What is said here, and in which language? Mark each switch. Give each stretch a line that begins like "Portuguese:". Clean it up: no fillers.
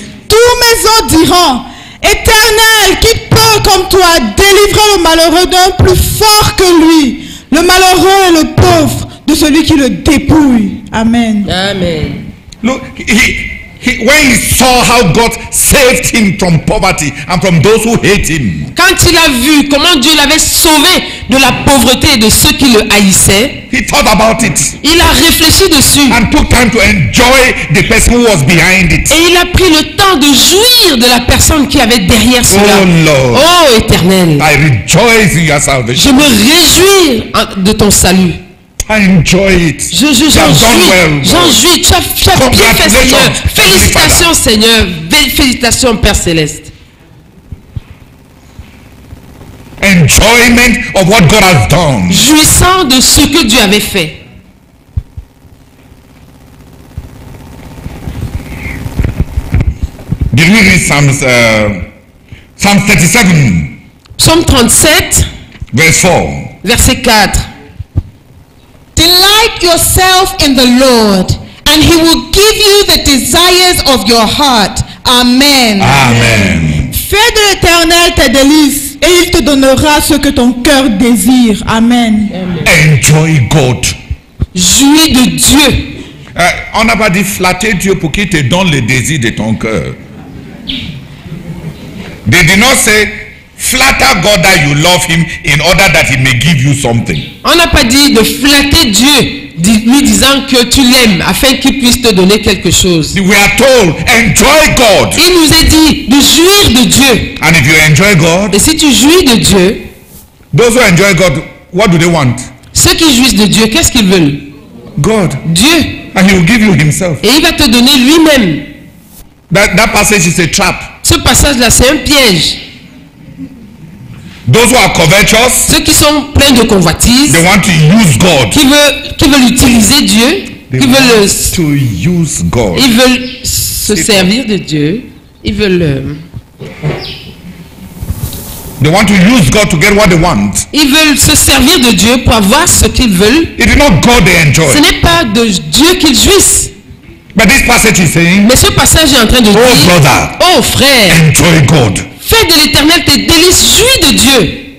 French: Tous mes os diront, Éternel, qui peut comme toi délivrer le malheureux d'un plus fort que lui, le malheureux et le pauvre de celui qui le dépouille. Amen. Amen.
English: Look, when he saw how God saved him from poverty and from those who hate him.
French: Quand il a vu comment Dieu l'avait sauvé de la pauvreté et de ceux qui le haïssaient,
English: he thought about it.
French: Il a réfléchi dessus.
English: And took time to enjoy the person who was behind it.
French: Et il a pris le temps de jouir de la personne qui avait derrière cela.
English: Oh Lord.
French: Oh Éternel.
English: I rejoice in your salvation.
French: Je me réjouis de ton salut.
English: I enjoy it.
French: J'en jouis. Tu as bien fait, Seigneur. Félicitations, Seigneur. Félicitations, Père Céleste.
English: Enjoyment of what God has done.
French: Jouissant de ce que Dieu avait fait.
English: Did we read Psalm 37? Psalm 37. Verse 4.
French: Verset 4.
English: Delight yourself in the Lord, and he will give you the desires of your heart. Amen. Amen.
French: Fais de l'Éternel tes délices, et il te donnera ce que ton cœur désire. Amen.
English: Enjoy God.
French: Jouis de Dieu. On n'a pas dit flatter Dieu pour qu'il te donne les désirs de ton cœur.
English: They did not say flatter God that you love him in order that he may give you something.
French: On n'a pas dit de flatter Dieu, lui disant que tu l'aimes afin qu'il puisse te donner quelque chose.
English: We are told, enjoy God.
French: Il nous est dit de jouir de Dieu.
English: And if you enjoy God,
French: et si tu jouis de Dieu,
English: those who enjoy God, what do they want?
French: Ceux qui jouissent de Dieu, qu'est-ce qu'ils veulent?
English: God.
French: Dieu.
English: And he will give you himself.
French: Et il va te donner lui-même.
English: That passage is a trap.
French: Ce passage-là, c'est un piège.
English: Those who are covetous,
French: ceux qui sont pleins de convoitise,
English: they want to use God.
French: Qui veulent utiliser Dieu, ils veulent se servir de Dieu, ils veulent.
English: They want to use God to get what they want.
French: Ils veulent se servir de Dieu pour avoir ce qu'ils veulent.
English: It is not God they enjoy.
French: Ce n'est pas de Dieu qu'ils jouissent.
English: But this passage is saying,
French: mais ce passage est en train de
English: dire, brother,
French: oh frère,
English: enjoy God.
French: Fais de l'Éternel tes délices, jouis de Dieu.